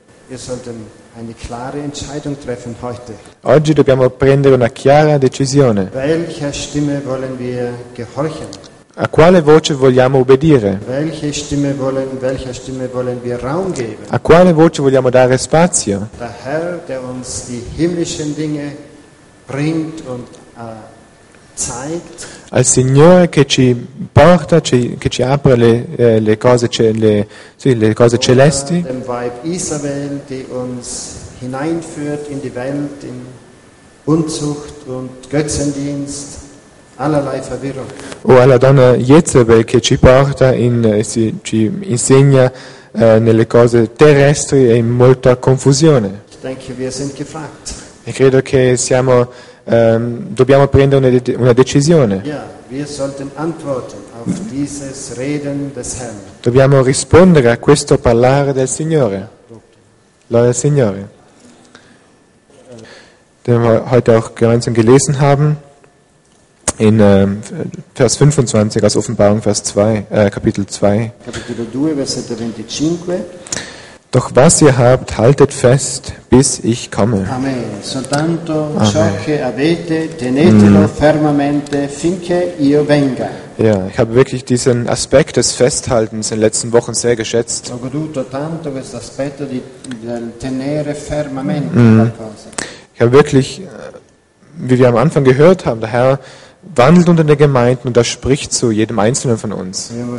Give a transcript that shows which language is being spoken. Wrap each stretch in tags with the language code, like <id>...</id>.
<de>Wir sollten eine klare Entscheidung treffen heute.</de> <it>Oggi dobbiamo prendere una chiara decisione.</it> <de>Welcher Stimme wollen wir gehorchen?</de> <it>A quale voce vogliamo obbedire?</it> <de>Welcher Stimme wollen wir Raum geben?</de> <it>A quale voce vogliamo dare spazio?</it> <de>Der Herr, der uns die himmlischen Dinge bringt und zeigt,</de> <it>al Signore che ci porta, che ci apre le cose, le cose celesti,</it> <de>dem Weib Isabel, die uns hineinführt in die Welt, in Unzucht und Götzendienst, allerlei Verwirrung.</de> <it>O alla donna Jezebel che ci porta in, ci insegna nelle cose terrestri e in molta confusione.</it> <de>Denke, wir sind gefragt.</de> <it>E credo che siamo dobbiamo prendere una decisione.</it> <de>Ja, wir sollten antworten auf dieses Reden des Herrn.</de> <it>Dobbiamo rispondere a questo parlare del Signore. Gloria al Signore.</it> <de>Den wir heute auch gemeinsam gelesen haben, in Vers 25 aus Offenbarung, Vers 2, Kapitel 2.</de> <it>Kapitel 2, versetto 25.</it> <de>Doch was ihr habt, haltet fest, bis ich komme. Amen.</de> <it>Soltanto ciò che avete, tenetelo fermamente, finché io venga.</it> <de>Ja, ich habe wirklich diesen Aspekt des Festhaltens in den letzten Wochen sehr geschätzt.</de> <it>Ho goduto tanto questo aspetto di tenere fermamente</it> <de>Ich habe wirklich, wie wir am Anfang gehört haben, der Herr wandelt unter den Gemeinden und das spricht zu jedem Einzelnen von uns.</de>